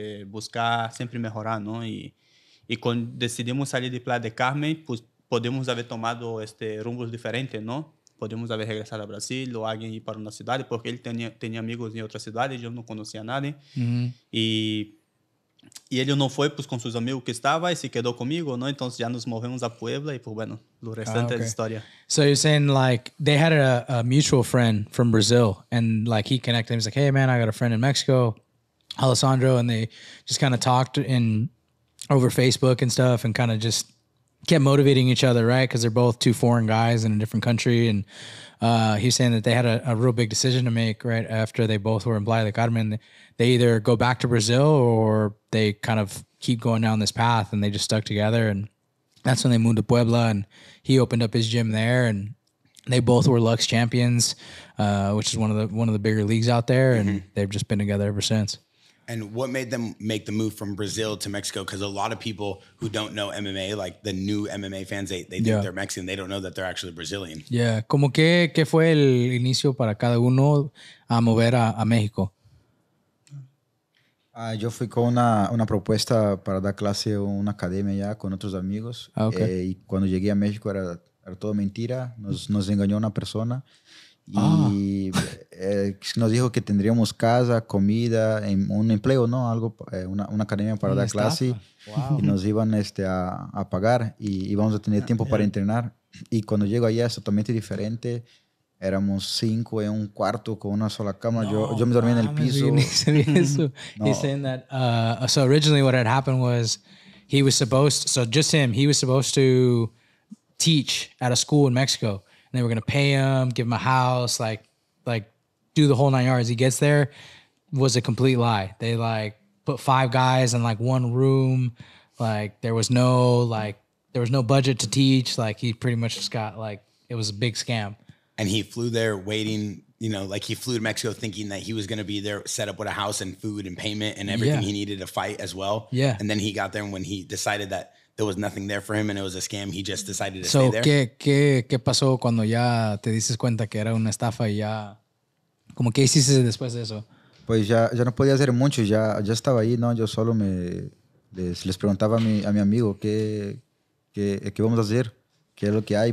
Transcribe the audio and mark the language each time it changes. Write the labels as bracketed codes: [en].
[es] Buscar siempre mejorar, ¿no? Y cuando decidimos salir de Playa del Carmen, pues podemos haber tomado rumbos diferentes, ¿no? Podemos haber regresado a Brasil o alguien ir para una ciudad, porque él tenía amigos en otra ciudad y yo no conocía a nadie. Uh-huh. Y él no fue pues, con sus amigos que estaba y se quedó conmigo, ¿no? Entonces ya nos movemos a Puebla y pues bueno, lo restante es historia. [en] So you're saying like they had a mutual friend from Brazil and like he connected him. He's like, hey man, I got a friend in Mexico, Alessandro, and they just kind of talked in over Facebook and stuff and kind of just kept motivating each other, right? Because they're both two foreign guys in a different country. And he's saying that they had a real big decision to make right after they both were in Playa del Carmen. They either go back to Brazil or they kind of keep going down this path and they just stuck together. And that's when they moved to Puebla and he opened up his gym there and they both were Lux champions, which is one of the bigger leagues out there. And mm-hmm. they've just been together ever since. And what made them make the move from Brazil to Mexico? Because a lot of people who don't know MMA, like the new MMA fans, they think they're Mexican. They don't know that they're actually Brazilian. Yeah. [es] ¿Cómo que fue el inicio para cada uno a mover a México? Yo fui con una propuesta para dar clase en una academia ya con otros amigos. [en] Ah, okay. [es] Y cuando llegué a México era todo mentira. Nos engañó una persona. Y nos dijo que tendríamos casa, comida, un empleo, ¿no? Algo, una academia para dar clase. [en] Wow. [es] Y nos iban a pagar y íbamos a tener tiempo para entrenar. Y cuando llego allá es totalmente diferente. Éramos 5 en un cuarto con una sola cama. No, yo me dormí en el piso. [en] He's saying that, so originally what had happened was he was supposed to teach at a school in Mexico. They were going to pay him, give him a house, like do the whole nine yards. He gets there, was a complete lie. They like put 5 guys in like one room. Like there was no budget to teach. Like he pretty much just got like, it was a big scam. And he flew there waiting, you know, like he flew to Mexico thinking that he was going to be there set up with a house and food and payment and everything he needed to fight as well. Yeah. And then he got there and when he decided that there was nothing there for him and it was a scam, he just decided to stay there. [es] So, ¿qué pasó cuando ya te dices cuenta que era una estafa y ya, como que hiciste después de eso? Pues ya no podía hacer mucho, ya estaba ahí, ¿no? Yo solo les preguntaba a mi amigo qué vamos a hacer, qué es lo que hay.